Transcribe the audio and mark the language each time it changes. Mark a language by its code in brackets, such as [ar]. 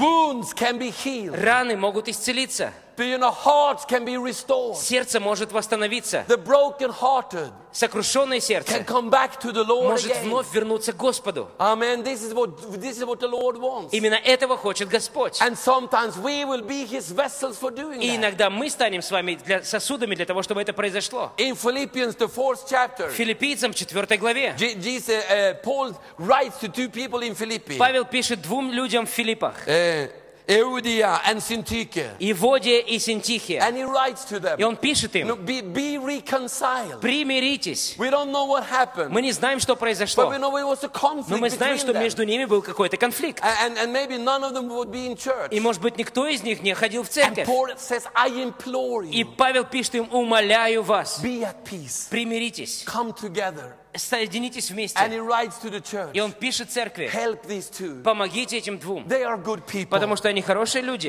[en] Wounds can be healed. [ru] Раны могут исцелиться. [en] But, you know, hearts can be restored. [ru] Сердце может восстановиться. [en] The broken-hearted. [ru] Сокрушенное сердце [en] can come back to the Lord [ru] может [en] again. [ru] Вновь вернуться к Господу. [en] Amen. This is what the Lord wants. [ru] Именно этого хочет Господь. [en] And sometimes we will be His vessels for doing that. [ru] И иногда мы станем с вами для, сосудами для того, чтобы это произошло. [en] In Philippians, the fourth chapter, [ru] Филиппийцам, 4 главе, [en] Paul writes to two people in Philippi. [ru] Павел пишет двум людям в Филиппах. Иудея and Синтихия. Иводия и Синтихия. [en] And he writes to them. [ru] И он пишет им. [en] Be reconciled. [ru] Примиритесь. [en] We don't know what happened. [ru] Мы не знаем, что произошло. [en] But we know it was a conflict. [ru] Но мы знаем, что между ними был какой-то конфликт. [en] And maybe none of them would be in church. [ru] И может быть, никто из них не ходил в церковь. [en] And Paul says, I implore you. [ru] И Павел пишет им, умоляю вас. [en] Be at peace. [ru] Примиритесь. [en] Come together. [ru] Соединитесь вместе. [en] And he writes to the church. [ru] И он пишет церкви. [en] Help these two. [ru] Помогите этим двум. [en] They are good people. [ru] Потому что они хорошие люди.